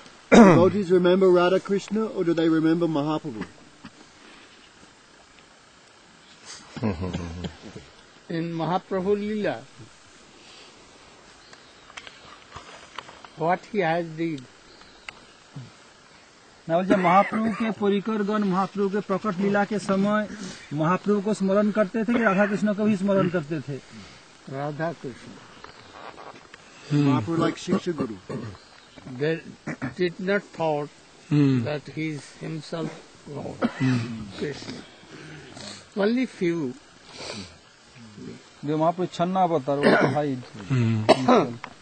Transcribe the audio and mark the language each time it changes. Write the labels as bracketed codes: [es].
[en] Do devotees remember Radha Krishna or do they remember Mahaprabhu? In Mahaprabhu Lila, what he has did. [hi] Now, when महाप्रभु के परिकर गण, महाप्रभु के प्रकट लीला के समय, महाप्रभु को स्मरण करते थे कि राधा कृष्ण को भी स्मरण करते थे? [en] Radha Krishna. Mahaprabhu like Shiksha Guru. They did not thought that he is himself Lord Krishna. Only few. The Mahaprabhu channa avatar was to hide.